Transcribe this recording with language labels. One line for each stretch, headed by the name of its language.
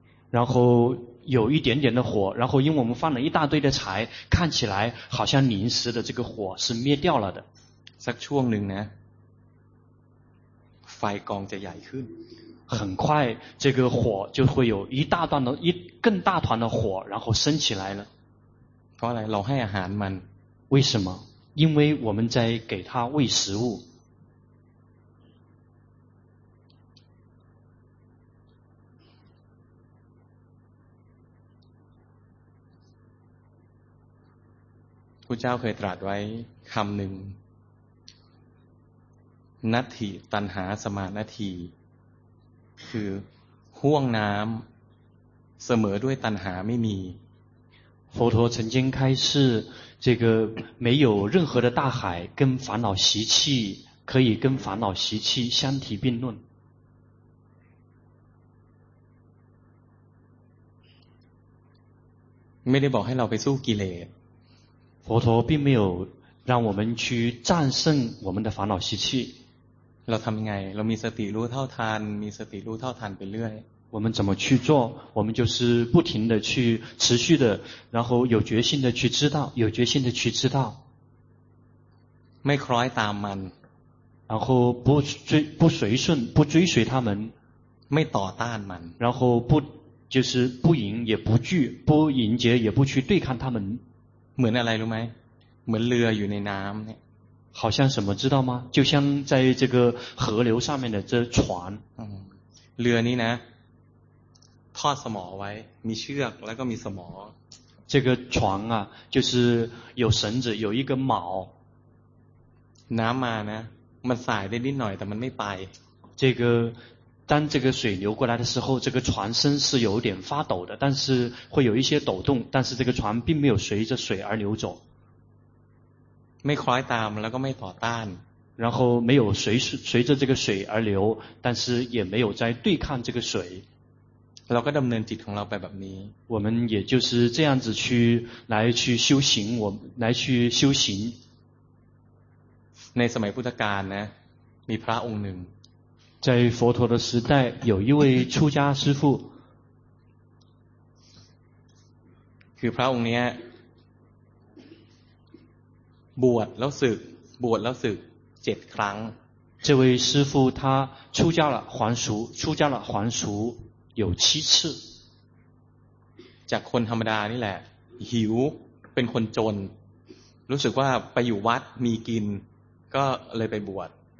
Chinese: 然后有一点点的火，然后因为我们放了一大堆的柴，看起来好像临时的这个火是灭掉了的。
Thai: สักช่วงหนึ่งนะ ไฟกองจะใหญ่ขึ้น
Chinese: 很快这个火就会有一大段的一更大团的火然后升起来了。
Thai: เพราะอะไรเราให้อาหารมัน
Chinese: 为什么？因为我们在给它喂食物。
Thai: พุทธเจ้าเคยตรัสไว้คำหนึ่ง
Pali: นัตถิตัณหาสมานัตถี
Thai: คือห่วงน้ำเสมอด้วยตัณหาไม่มี
Chinese: 佛陀曾经开示这个没有任何的大海跟烦恼习气可以跟烦恼习气相提并论
Thai: ไม่ได้บอกให้เราไปสู้กิเลส
Chinese: 佛陀并没有让我们去战胜我们的烦恼习气。
Thai: เราทำไงเรามีสติรู้เท่าทันมีสติรู้เท่าทันไปเรื่อย
Chinese: 我们怎么去做我们就是不停的去持续的然后有决心的去知道有决心的去知道
Thai: ไม่คล้อยตามมัน
Chinese: 然后不随顺不追随他们
Thai: ไม่ต่อต้านมัน
Chinese: 然后不就是不迎也不拒不迎接也不去对抗他们
Thai: เหมือนอะไรรู้ไหมเหมือนเรืออยู่ในน้ำเนี่ย
Chinese: 好像什么知道吗就像在这个河流上面的这船
Thai: เรือนี้นะทอดสมอไว้มีเชือกแล้วก็มีสมอ
Chinese: 这个船啊就是有绳子有一根锚
Thai: น้ำมานะมันสายได้นิดหน่อยแต่มันไม่ไป
Chinese: 这个当这个水流过来的时候这个船身是有点发抖的但是会有一些抖动但是这个船并没有随着水而流走
Thai: ไม่คล้อยตามแล้วก็ไม่ต่อต้าน
Chinese: 然后没有随着这个水而流但是也没有在对抗这个水
Thai: เราก็ดำเนินจิตของเราไปแบบนี้
Chinese: 我们也就是这样子去来去修行我来去修行
Thai: ในสมัยพุทธกาลนะมีพระองค์หนึ่ง
Chinese: 在佛陀的时代有一位出家师父
Thai: คือพระองค์เนี้ยบวชแล้วสึกบวชแล้วสึก7ครั้ง
Chinese: 这位师父他出家了还俗出家了还俗有7次
Thai: จากคนธรรมดานี่แหละหิวเป็นคนจนรู้สึกว่าไปอยู่วัดมีกินก็เลยไปบวช